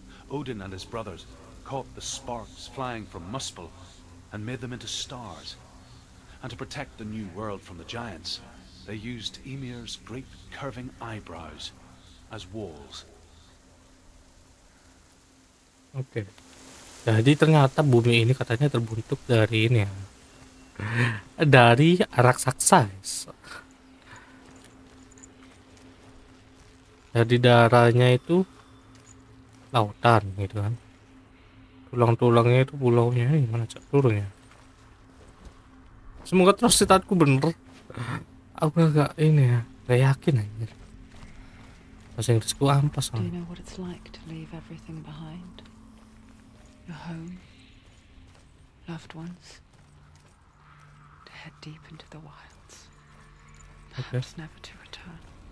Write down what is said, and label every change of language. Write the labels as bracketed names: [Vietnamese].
[English] Odin and his brothers caught the sparks flying from Muspel and made them into stars. And to protect the new world from the giants, they used Ymir's great curving eyebrows as walls. [Indonesian] Oke, jadi ternyata bumi ini katanya terbentuk dari ini ya, dari raksasa. Jadi darahnya itu lautan gitu kan, tulang-tulangnya itu pulaunya, gimana cak turunnya. Semoga terus ceritaku bener. Aku agak ini ya, gak yakin aja. Bahasa Inggrisku ampas. [English] Do you know what it's like to leave everything behind? Your home, loved ones, to head deep into the wilds, perhaps okay. Never to return.